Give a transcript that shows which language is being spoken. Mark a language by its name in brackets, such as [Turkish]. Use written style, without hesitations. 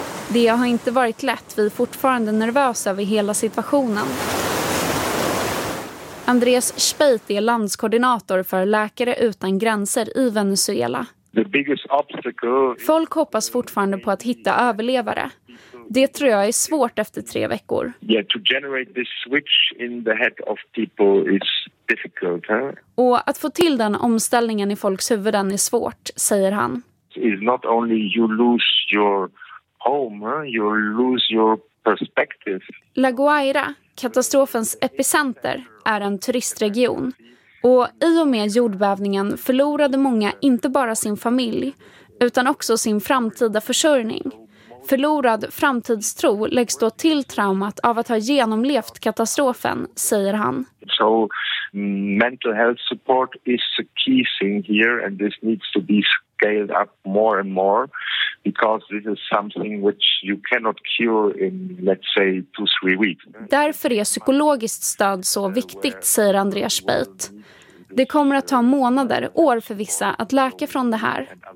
[Swedish] Det har inte varit lätt. Vi är fortfarande nervösa över hela situationen. Andreas Speit är landskoordinator för Läkare utan gränser i Venezuela. Folk hoppas fortfarande på att hitta överlevare. Det tror jag är svårt efter 3 veckor. [English] Yeah, to generate this switch in the head of people is difficult, huh? [Swedish] Och att få till den omställningen i folks huvuden är svårt, säger han. [English] It's not only you lose your home, you lose your perspective. [Swedish] La Guaira, katastrofens epicenter, är en turistregion. Och i och med jordbävningen förlorade många inte bara sin familj utan också sin framtida försörjning. Förlorad framtidstro läggs då till traumat av att ha genomlevt katastrofen, säger han. [English] So mental health support is a key thing here and this needs to be scaled up more and more because this is something which you cannot cure in, let's say, 2-3 weeks. [Swedish] Därför är psykologiskt stöd så viktigt, säger Andreas Speit. Det kommer att ta månader, år för vissa, att läka från det här.